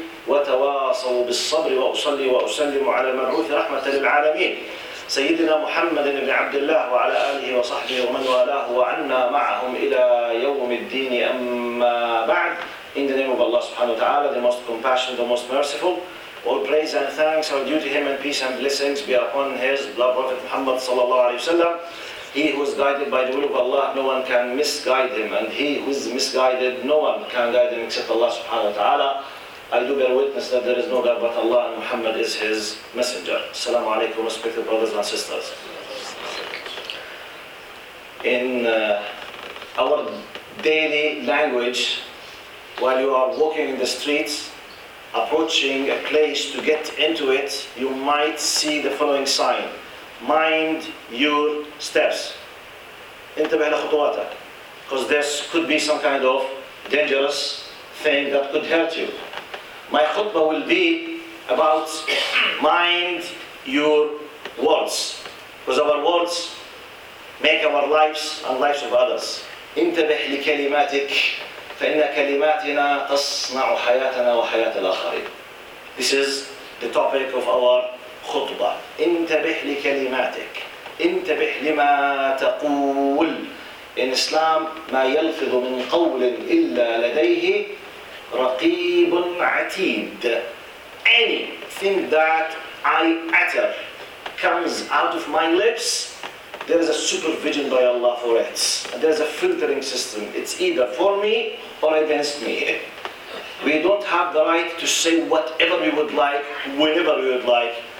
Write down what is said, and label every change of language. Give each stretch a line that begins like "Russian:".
Arabic: وتواصوا بالصبر وأصلي وأسلم على المبعوث رحمة للعالمين سيدنا محمد بن عبد الله وعلى آله وصحبه ومن والاه وعنا معهم إلى يوم الدين أما بعد
English: In the name of Allah subhanahu wa ta'ala, the most compassionate, the most merciful, all praise and thanks are due to him and peace and blessings be upon his blood prophet Muhammad sallallahu alayhi wa sallam. He who is guided by the will of Allah, no one can misguide him. And he who is misguided, no one can guide him except Allah subhanahu wa ta'ala. I do bear witness that there is no God but Allah and Muhammad is his messenger. Assalamu alaikum, respected brothers and sisters. In our daily language, while you are walking in the streets, approaching a place to get into it, you might see the following sign. Mind your steps.
Arabic: انتبه لخطواتك.
English: Because this could be some kind of dangerous thing that could hurt you. My khutbah will be about mind your words. Because our words make our lives and lives of others.
Arabic: انتبه لكلماتك فإن كلماتنا تصنع حياتنا وحياة الآخرين.
English: This is the topic of our khutbah.
Arabic: انتبه لكلماتك. انتبه لما تقول.
English: In Islam,
Arabic: ما يلفظ من قول إلا لديه رقيب عتيد.
English: Anything that I utter comes out of my lips, there is a supervision by Allah for it. There is a filtering system. It's either for me or against me. We don't have the right to say whatever we would like, whenever we would like.